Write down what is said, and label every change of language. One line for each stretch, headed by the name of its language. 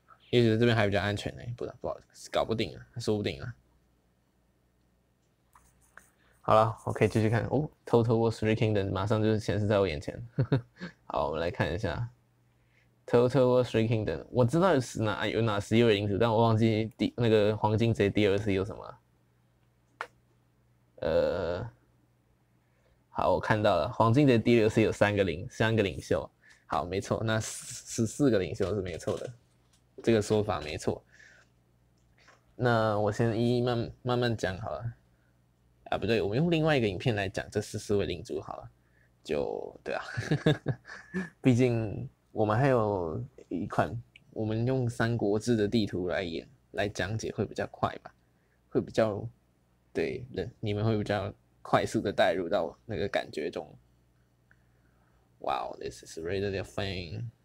Chinese: 也许这边还比较安全呢、欸，不好意思，搞不定啊，说不定啊。好了，我可以继续看哦，《Total War Three Kingdoms》马上就是显示在我眼前。好，我们来看一下《Total War Three Kingdoms》。我知道有哪十一位领主，但我忘记第那个黄金贼 DLC 有什么。好，我看到了，黄金贼 DLC 有三个领袖。好，没错，那14个领袖是没错的。这个说法没错，那我先一一慢慢讲好了。啊，不对，我们用另外一个影片来讲这14位领主好了。就对啊，毕竟我们还有一款，我们用《三国志》的地图来演来讲解会比较快吧，会比较对，你们会比较快速的带入到那个感觉中。
English: Wow, this is really a thing.